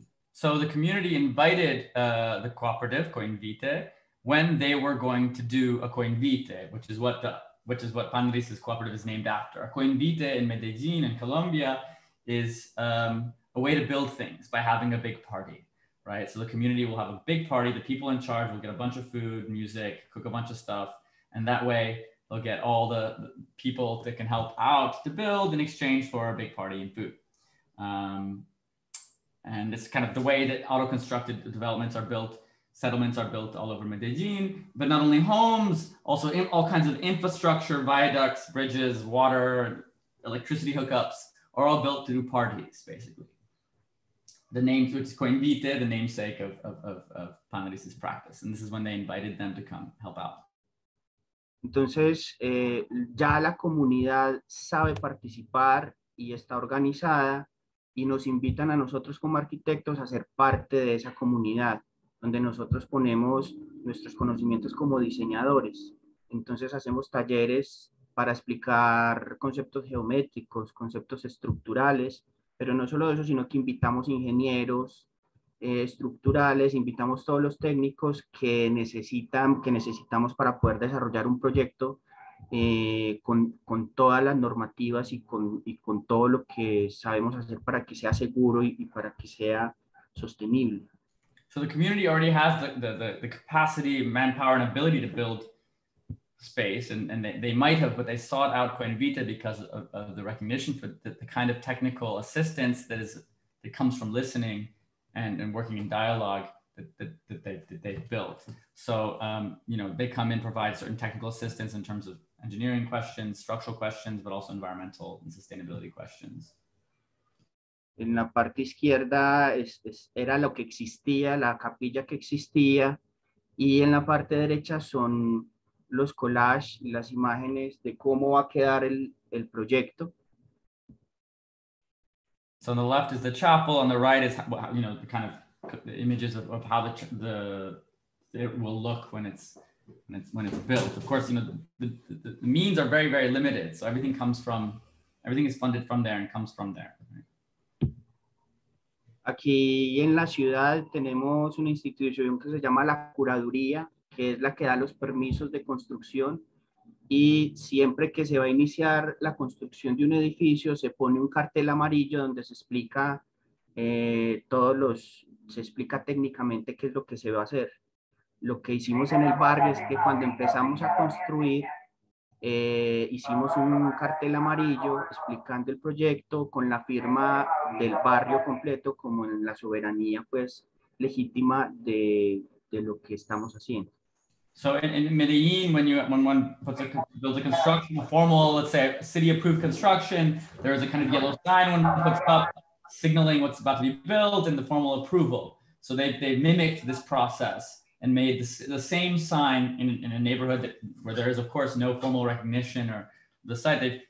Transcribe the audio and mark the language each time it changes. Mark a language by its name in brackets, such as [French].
[English] So the community invited the cooperative Coinvite when they were going to do a Coinvite, which is what Panris's cooperative is named after. A Coinvite in Medellin in Colombia is a way to build things by having a big party, right? So the community will have a big party, the people in charge will get a bunch of food, music, cook a bunch of stuff. And that way, they'll get all the people that can help out to build in exchange for a big party and food. And it's kind of the way that auto-constructed developments are built, settlements are built all over Medellin, but not only homes, also in all kinds of infrastructure, viaducts, bridges, water, electricity hookups, are all built through parties, basically. The name, which is Coinvite, the namesake of Panaris's practice. And this is when they invited them to come help out. [Spanish] Entonces, ya la comunidad sabe participar y está organizada y nos invitan a nosotros como arquitectos a ser parte de esa comunidad, donde nosotros ponemos nuestros conocimientos como diseñadores. Entonces, hacemos talleres para explicar conceptos geométricos, conceptos estructurales, pero no solo eso, sino que invitamos ingenieros estructurales, invitamos todos los técnicos que necesitamos para poder desarrollar un proyecto con todas las normativas y con todo lo que sabemos hacer para que sea seguro y para que sea sostenible. [English] So the community already has the capacity, manpower and ability to build space and they might have, but they sought out Coinvite because of the recognition for the kind of technical assistance that comes from listening and working in dialogue that they've built. So, you know, they come in, provide certain technical assistance in terms of engineering questions, structural questions, but also environmental and sustainability questions. [Spanish] En la parte izquierda era lo que existía, la capilla que existía, y en la parte derecha son los collages y las imágenes de cómo va a quedar el proyecto. [English] So on the left is the chapel, on the right is, you know, the kind of the images of how the it will look when it's built. Of course, you know, the means are very, very limited, so everything is funded from there and comes from there. [Spanish] Aquí en la ciudad tenemos una institución que se llama la curaduría, que es la que da los permisos de construcción, y siempre que se va a iniciar la construcción de un edificio se pone un cartel amarillo donde se explica se explica técnicamente qué es lo que se va a hacer. Lo que hicimos en el barrio es que cuando empezamos a construir hicimos un cartel amarillo explicando el proyecto con la firma del barrio completo, como en la soberanía pues legítima de lo que estamos haciendo. [English] So in Medellín, when one builds a construction, a formal, let's say, city-approved construction, there is a kind of yellow sign one puts up, signaling what's about to be built and the formal approval. So they mimicked this process and made the same sign in a neighborhood that, where there is, of course, no formal recognition or the site.